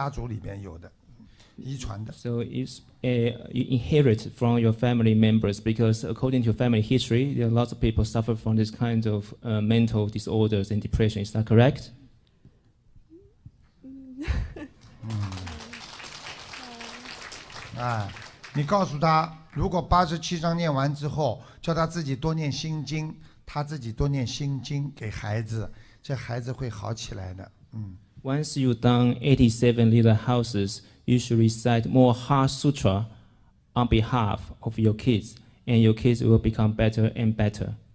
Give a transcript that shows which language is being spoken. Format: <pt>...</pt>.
<zh>你告诉他，他的家族里边呢有这种忧郁症的，就是病人，就是脑子不大好的病人的，就是有过去家族里边有的，遗传的。So</zh> <en>it's you inherit from your family members because according to family history, there are lots of people suffer from this kind of mental disorders and depression. Is that correct?</en> <zh>你告诉他。如果87章念完之后，叫他自己多念心经，他自己多念心经给孩子，这孩子会好起来的。Once</zh> <en>you done 87 little houses, you should recite more heart sutra on behalf of your kids, and your kids will become better and better.</en>